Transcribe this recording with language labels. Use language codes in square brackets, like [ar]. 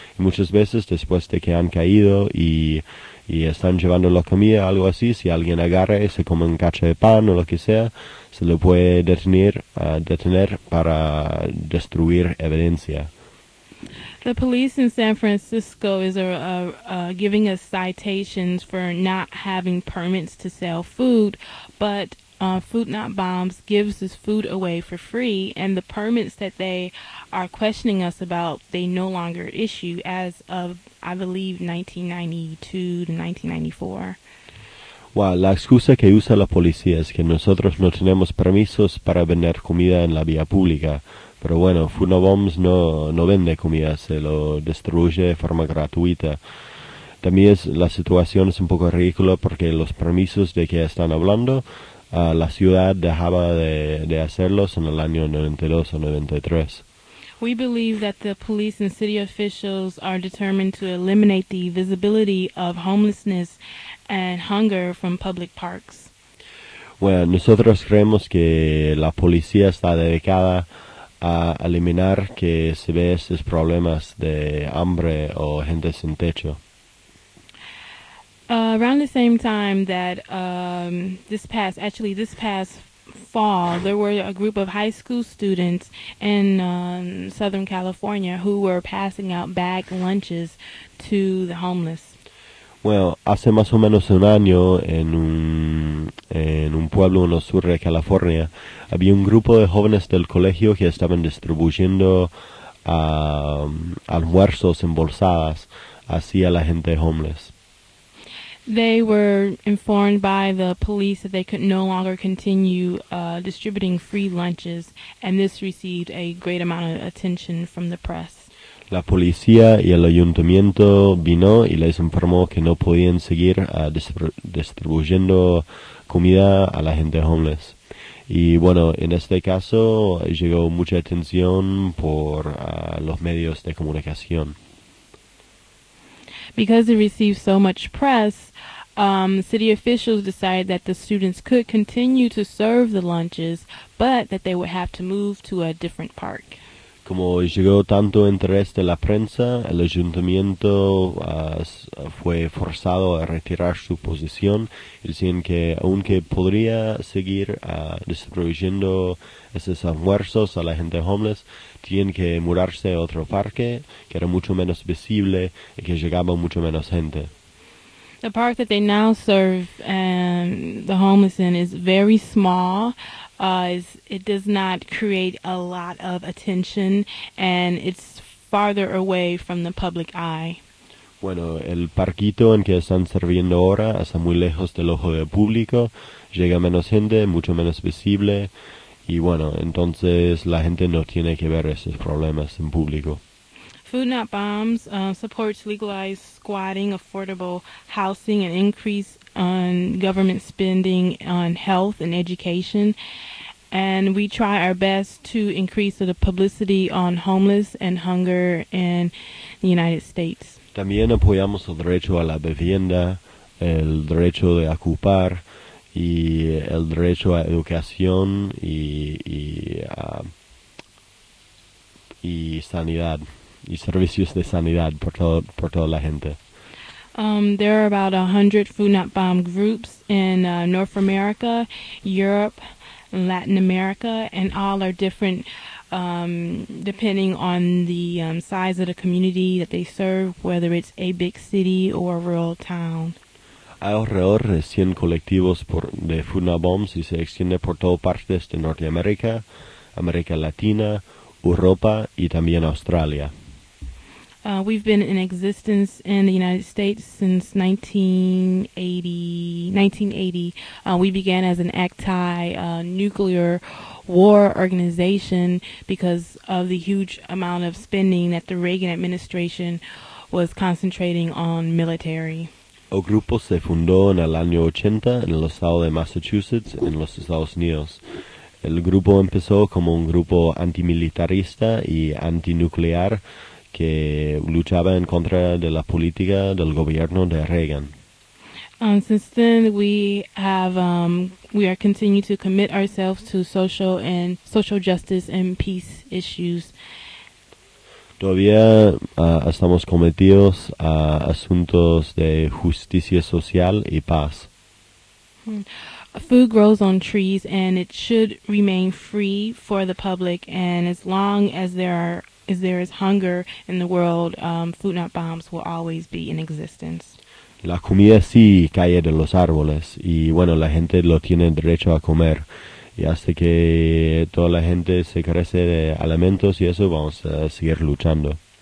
[es] Y muchas veces después de que han caído y están llevando la comida, algo así, si alguien agarra y se come un cacho de pan o lo que sea, se lo puede detener para destruir evidencia. [en] The police in San Francisco is giving us citations for not having permits to sell food, but Food Not Bombs gives this food away for free, and the permits that they are questioning us about, they no longer issue as of, I believe, 1992 to 1994. [es] Wow, la excusa que usa la policía es que nosotros no tenemos permisos para vender comida en la vía pública. Pero bueno, Food Not Bombs no vende comida, se lo distribuye de forma gratuita. También la situación es un poco ridícula porque los permisos de que están hablando, la ciudad dejaba de hacerlos en el año 92 o 93. [en] We believe that the police and city officials are determined to eliminate the visibility of homelessness and hunger from public parks. [es] Bueno, nosotros creemos que la policía está dedicada a eliminar que se ve estos problemas de hambre o gente sin techo. [en] Around the same time that this past fall, there were a group of high school students in Southern California who were passing out bag lunches to the homeless. [es] Well, hace más o menos un año en un pueblo en el sur de California, había un grupo de jóvenes del colegio que estaban distribuyendo almuerzos embolsadas así a la gente homeless. [en] They were informed by the police that they could no longer continue distributing free lunches, and this received a great amount of attention from the press. [es] La policía y el ayuntamiento vino y les informó que no podían seguir distribuyendo comida a la gente homeless. Y bueno, en este caso llegó mucha atención por los medios de comunicación. [en] Because it received so much press, city officials decided that the students could continue to serve the lunches, but that they would have to move to a different park. [es] como llegó tanto interés de la prensa, el ayuntamiento fue forzado a retirar su posición, diciendo que aunque podría seguir distribuyendo esos almuerzos a la gente homeless, tienen que mudarse a otro parque que era mucho menos visible y que llegaba mucho menos gente. [en] The park that they now serve the homeless in is very small. It does not create a lot of attention, and it's farther away from the public eye. [es] Bueno, el parquito en que están sirviendo ahora está muy lejos del ojo del público. Llega menos gente, mucho menos visible, y bueno, entonces la gente no tiene que ver esos problemas en público. [en] Food Not Bombs supports legalized squatting, affordable housing, and increase on government spending on health and education. And we try our best to increase the publicity on homeless and hunger in the United States. [es] También apoyamos el derecho a la vivienda, el derecho de ocupar, y el derecho a educación y sanidad. Y servicios de sanidad por toda la gente. [en] There are about 100 Food Not Bomb groups in North America, Europe, Latin America, and all are different depending on the size of the community that they serve, whether it's a big city or a rural town. [es] Hay alrededor de 100 colectivos de Food Not Bombs y se extiende por todas partes de Norteamérica, América Latina, Europa y también Australia. [en] We've been in existence in the United States since 1980. We began as an anti-nuclear war organization because of the huge amount of spending that the Reagan administration was concentrating on military. [es] El grupo se fundó en el año 80 en el estado de Massachusetts, en los Estados Unidos. El grupo empezó como un grupo antimilitarista y antinuclear que luchaba en contra de la política del gobierno de Reagan. [en] Since then, we are continue to commit ourselves to social justice and peace issues. [es] Todavía estamos cometidos a asuntos de justicia social y paz. [en] Food grows on trees, and it should remain free for the public. And as long as there is hunger in the world, Food Not Bombs will always be in existence. [es] La comida sí cae de los árboles, y bueno, la gente lo tiene derecho a comer, y hasta que toda la gente se carece de alimentos y eso, vamos a seguir luchando.